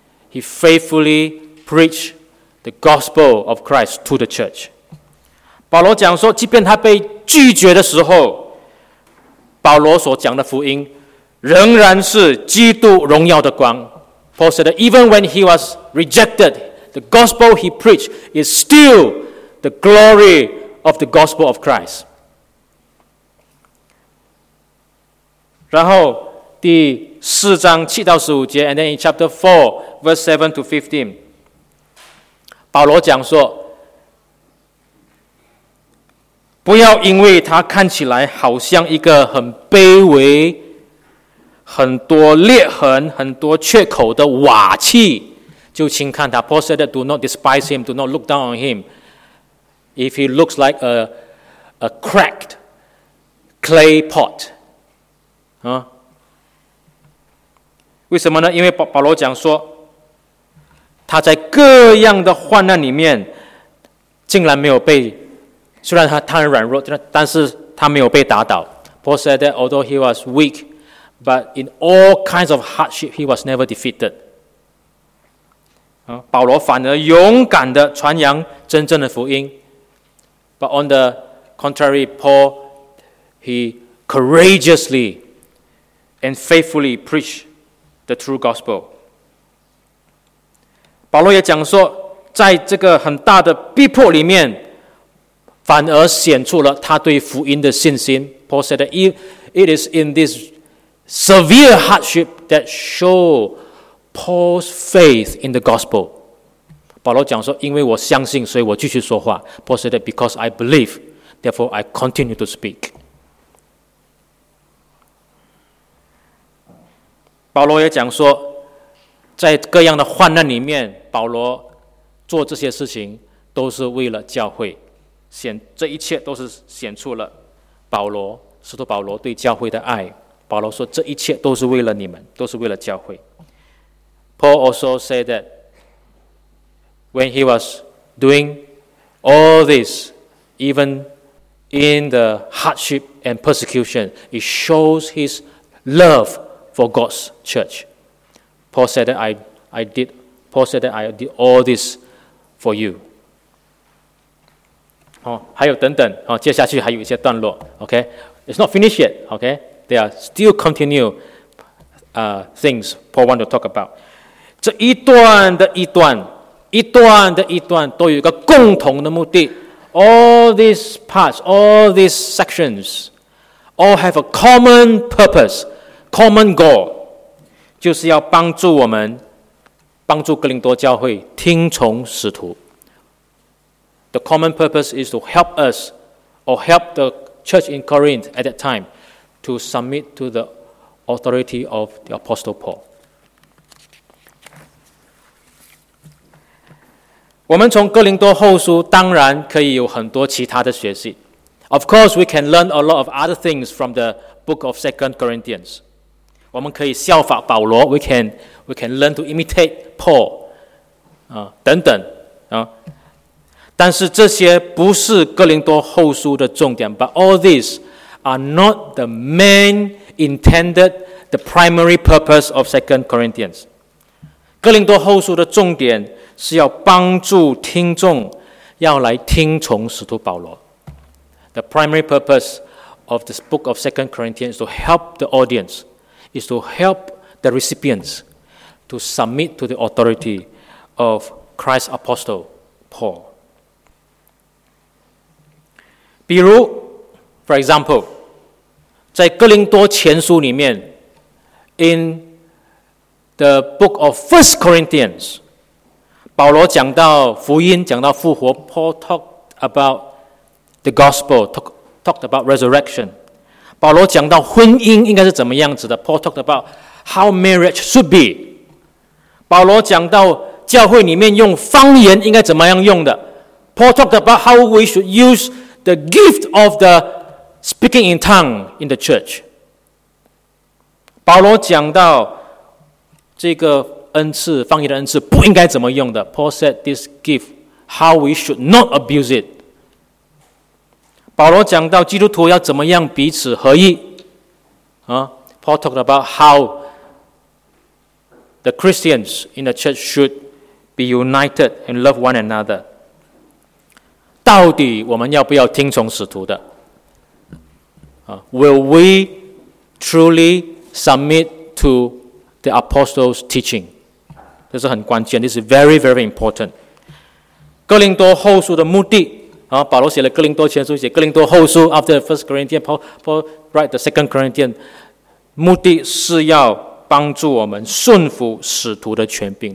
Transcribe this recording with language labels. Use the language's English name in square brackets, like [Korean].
[English] He faithfully preached the gospel of Christ to the church. [Chinese] 保罗讲说，即便他被拒绝的时候，保罗所讲的福音仍然是基督荣耀的光。 [English] Paul said that even when he was rejected, the gospel he preached is still the glory of the gospel of Christ. [Chinese] 然后第四章七到十五节 [English] and then in chapter 4, verse 7 to 15, [Chinese] 保罗讲说，不要因为他看起来好像一个很卑微、很多裂痕、很多缺口的瓦器，就轻看他。 [English] Paul said that do not despise him, do not look down on him. If he looks like a cracked clay pot. [Chinese] 为什么呢？因为保罗讲说，他在各样的患难里面，竟然没有被，虽然他很软弱，但是他没有被打倒。 [English] Paul said that although he was weak, but in all kinds of hardship, he was never defeated. [Chinese] 保罗反而勇敢地传扬真正的福音。 [English] But on the contrary, Paul, he courageously and faithfully preached the true gospel. [Chinese] 保罗也讲说，在这个很大的逼迫里面，反而显出了他对福音的信心。 [English] Paul said that it is in this severe hardship that show Paul's faith in the gospel. [Chinese] 保罗讲说，因为我相信，所以我继续说话。 [English] Paul said that because I believe, therefore I continue to speak. [Chinese] 保罗也讲说，在各样的患难里面，保罗做这些事情都是为了教会。这一切都是显出了保罗，使徒保罗对教会的爱。保罗说，这一切都是为了你们，都是为了教会。 [English] Paul also said that when he was doing all this, even in the hardship and persecution, it shows his love for God's church. Paul said that I did all this for you. [Chinese] 还有等等，接下去还有一些段落。 [English] Okay, it's not finished yet. Okay, there are still continue things Paul want to talk about. [Chinese] 这一段的一段，一段的一段都有一个共同的目的。 [English] All these parts, all these sections, all have a common purpose, common goal, [Chinese] 就是要帮助我们，帮助哥林多教会听从使徒。 [English] The common purpose is to help us or help the church in Corinth at that time to submit to the authority of the Apostle Paul. [Chinese] 我们从哥林多后书当然可以有很多其他的学习。 [English] Of course, we can learn a lot of other things from the book of 2 Corinthians. [Chinese] 我们可以效法保罗, [English] we can learn to imitate Paul, [Chinese] 等等。但是这些不是哥林多后书的重点 [English] but all these are not the main intended, the primary purpose of 2 Corinthians. [Chinese] 哥林多后书的重点是要帮助听众要来听从使徒保罗。 [English] The primary purpose of this book of 2 Corinthians is to help the audience, is to help the recipients to submit to the authority of Christ's apostle, Paul. [Chinese] 比如 ， [English] for example， [Chinese] 在哥林多前书里面 ， [English] in the book of First Corinthians， [Chinese] 保罗讲到福音，讲到复活。 [English] Paul talked about the gospel， talked about resurrection。 [Chinese] 保罗讲到婚姻应该是怎么样子的。 [English] Paul talked about how marriage should be。 [Chinese] 保罗讲到教会里面用方言应该怎么样用的。 [English] Paul talked about how we should use the gift of the speaking in tongue in the church。 [Chinese] 保罗讲到这个恩赐，方言的恩赐不应该怎么用的。 [English] Paul said this gift, how we should not abuse it。 [Chinese] 保罗讲到基督徒要怎么样彼此合一。 [English] Paul talked about how the Christians in the church should be united and love one another. [Chinese] 到底我们要不要听从使徒的？ [English] Will we truly submit to the apostles' teaching? [Chinese] 这是很关键， [English] this is very, very important. [Chinese] 哥林多后书的目的，保罗写了哥林多前书，写哥林多后书 [English] after the first Corinthians, Paul write the second Corinthians, [Chinese] 目的是要帮助我们顺服使徒的权柄。